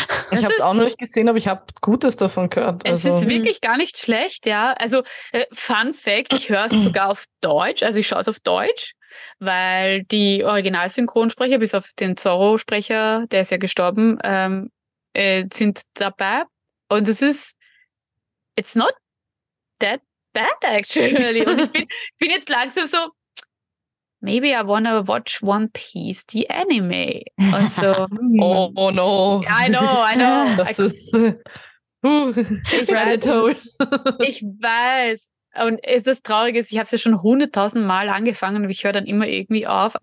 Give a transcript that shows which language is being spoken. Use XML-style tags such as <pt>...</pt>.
<de>Ich habe es auch noch nicht gesehen, aber ich habe Gutes davon gehört. Also. Es ist wirklich gar nicht schlecht, ja. Also, Fun Fact, ich höre es sogar auf Deutsch. Also, ich schaue es auf Deutsch, weil die Originalsynchronsprecher, bis auf den Zorro-Sprecher, der ist ja gestorben, sind dabei. Und es ist,</de> <en>it's not that bad, actually.</en> <de>Und ich bin jetzt langsam so,</de> <en>maybe I wanna watch One Piece, the anime.</en> <de>Und so,</de> <en>oh no. I know.</en> <de>Das ist Rabbit Hole. Ich weiß. Und das Traurige ist, ich habe es ja schon 100.000 Mal angefangen und ich höre dann immer irgendwie auf.</de>